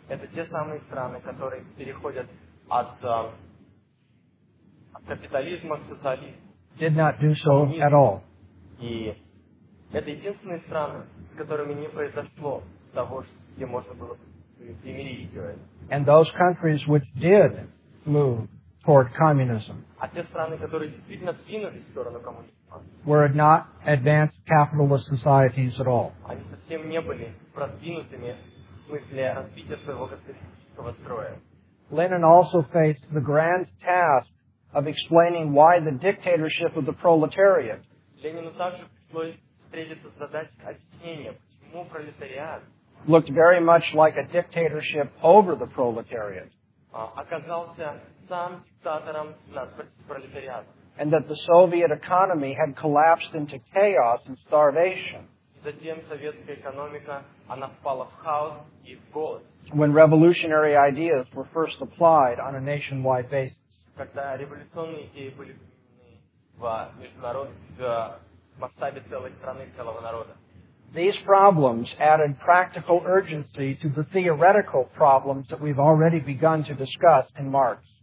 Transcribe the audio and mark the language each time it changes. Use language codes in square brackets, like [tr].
[ru] Это те самые страны, которые переходят от капитализма к социализму. [en] Did not do so at all. [ru] И это единственные страны, с которыми не произошло того, где можно было примирить. [en] And those countries which did move toward communism. [ru] А те страны, которые действительно двинулись в сторону коммунизма. [en] Were not advanced capitalist societies at all. [ru] Они совсем не были продвинутыми в смысле развития своего капиталистического строя. [en] Lenin also faced the grand task of explaining why the dictatorship of the proletariat. [ru] Ленину также пришлось встретиться с задачей объяснения, почему пролетариат [en] looked very much like a dictatorship over the proletariat. [ru] Оказался сам диктатором над пролетариатом. [en] And that the Soviet economy had collapsed into chaos and starvation. [ru] Затем советская экономика, она впала в хаос и в голод. [en] When revolutionary ideas were first applied on a nationwide basis. [ru] Когда революционные идеи были применены в международном масштабе целой страны, целого народа. [en] These problems added practical urgency to the theoretical problems that we've already begun to discuss in Marx.